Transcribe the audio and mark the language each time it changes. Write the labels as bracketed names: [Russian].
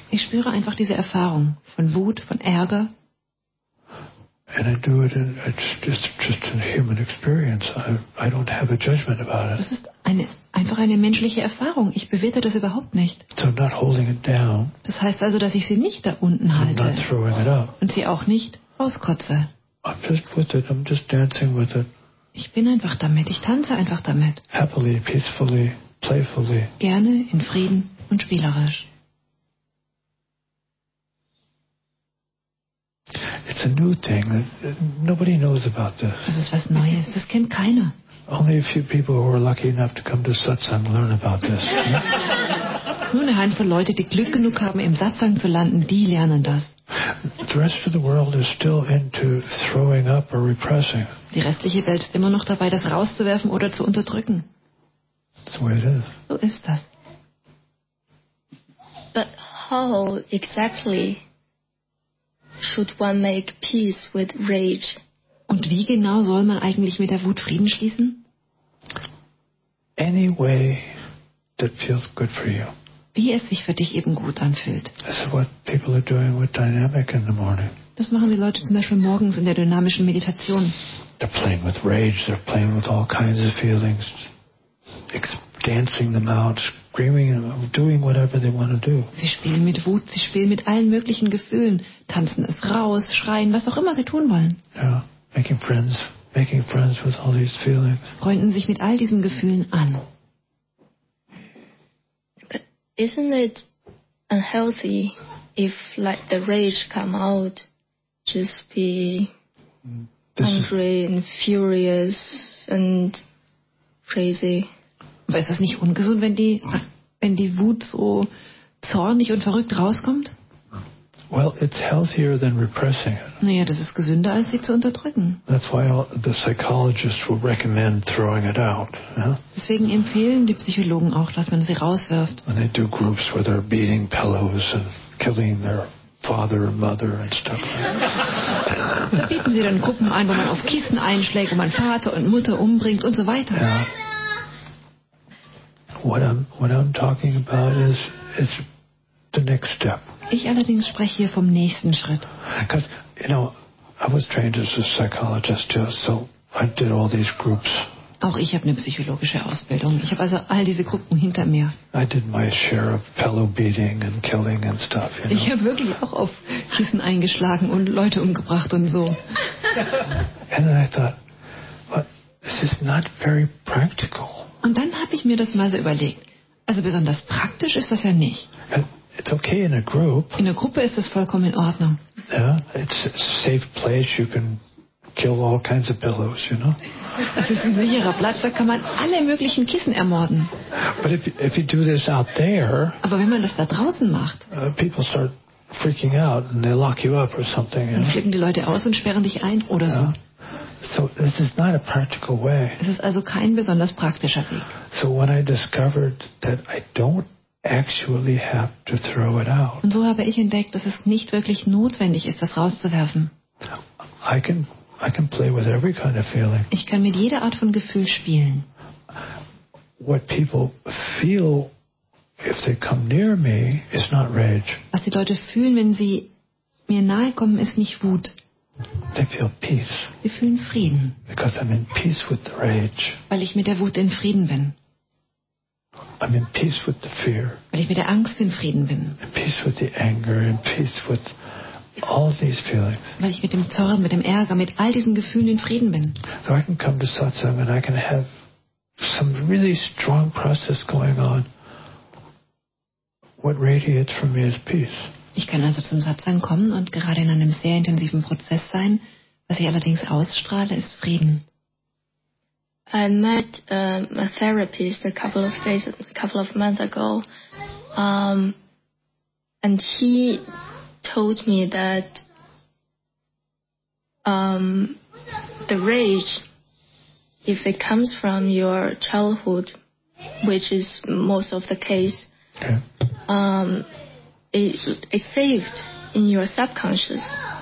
[German] Ich spüre einfach diese Erfahrung von Wut, von Ärger. [English] And I do it in, it's just a human experience. I don't have a judgment about it. [German] Das ist einfach eine menschliche Erfahrung. Ich bewerte das überhaupt nicht. [English] So I'm not holding it down. [German] Das heißt also, dass ich sie nicht da unten halte. [English] I'm not throwing it up. [German] Und sie auch nicht auskotze. [English] I'm just with it. I'm just dancing with it. [German] Ich bin einfach damit. Ich tanze einfach damit. [English] Happily, peacefully, playfully. [German] Gerne, in Frieden und spielerisch. [English] It's a new thing. Nobody knows about this. [German] Das ist was Neues. Das kennt keiner. [English] Only a few people who are lucky enough to come to Satsang learn about this. [German] Nur eine Handvoll Leute, die Glück genug haben, im Satsang zu landen, die lernen das. [English] The rest of the world is still into throwing up or repressing. [German] Die restliche Welt ist immer noch dabei, das rauszuwerfen oder zu unterdrücken. [English] That's the way it is. [German] So ist das. [English] But how exactly should one make peace with rage? [German] Und wie genau soll man eigentlich mit der Wut Frieden schließen? [English] Any way that feels good for you. [German] Wie es sich für dich eben gut anfühlt. [English] That's what people are doing with dynamic in the morning. [German] Das machen die Leute zum Beispiel morgens in der dynamischen Meditation. [English] They're playing with rage, they're playing with all kinds of feelings. Dancing them out, screaming them, doing whatever they want to do. [German] Sie spielen mit Wut, sie spielen mit allen möglichen Gefühlen, tanzen es raus, schreien, was auch immer sie tun wollen. [English] Yeah. Making friends with all these feelings. [German] Freunden sich mit all diesen Gefühlen an. [English] But isn't it unhealthy if like the rage come out, just be angry and furious and crazy? [German] Aber ist das nicht ungesund, wenn die Wut so zornig und verrückt rauskommt? [English] Well, it's healthier than repressing it. [German] Naja, das ist gesünder, als sie zu unterdrücken. [English] That's why the psychologists will recommend throwing it out. Yeah? [German] Deswegen empfehlen die Psychologen auch, dass man sie rauswirft. [English] And they do groups where they're beating pillows and killing their father and mother and stuff. [German] Da bieten sie dann Gruppen ein, wo man auf Kissen einschlägt, wo man Vater und Mutter umbringt und so weiter. [English] Yeah. What I'm talking about is the next step. [German] Ich allerdings spreche hier vom nächsten Schritt. [English] Because, you know, I was trained as a psychologist, so I did all these groups. [German] Auch ich habe eine psychologische Ausbildung. Ich habe also all diese Gruppen hinter mir. [English] I did my share of fellow beating and killing and stuff, you know. [German] Ich habe wirklich auch auf Kissen eingeschlagen und Leute umgebracht und so. [English] And then I thought, well, this is not very practical. [German] Und dann habe ich mir das mal so überlegt. Also besonders praktisch ist das ja nicht. [English] It's okay in a group. [German] In der Gruppe ist das vollkommen in Ordnung. [English] Yeah, it's a safe place. You can kill all kinds of pillows, you know. [German] Das ist ein sicherer Platz. Da kann man alle möglichen Kissen ermorden. [English] But if you do this out there. [German] Aber wenn man das da draußen macht. [English] People start freaking out and they lock you up or something. [German] Dann flippen die Leute aus und sperren dich ein oder so. [English] So this is not a practical way. [German] Es ist also kein besonders praktischer Weg. [English] So when I discovered that I don't actually have to throw it out. [German] Und so habe ich entdeckt, dass es nicht wirklich notwendig ist, das rauszuwerfen. [English] I can play with every kind of feeling. [German] Ich kann mit jeder Art von Gefühl spielen. [English] What people feel if they come near me is not rage. [German] Was die Leute fühlen, wenn sie mir nahe kommen, ist nicht Wut. [English] They feel peace. [German] Sie fühlen Frieden. [English] Because I'm in peace with the rage. [German] Weil ich mit der Wut in Frieden bin. [English] I'm in peace with the fear. [German] Weil ich mit der Angst in Frieden bin. [English] In peace with the anger. In peace with all these feelings. [German] Weil ich mit dem Zorn, mit dem Ärger, mit all diesen Gefühlen in Frieden bin. [English] So I can come to satsang and I can have some really strong process going on. What radiates from me is peace. [German] Ich kann also zum Satsang kommen und gerade in einem sehr intensiven Prozess sein. Was ich allerdings ausstrahle, ist Frieden. [English] I met a therapist a couple of months ago, and he told me that the rage, if it comes from your childhood, which is most of the case, it's saved in your subconscious.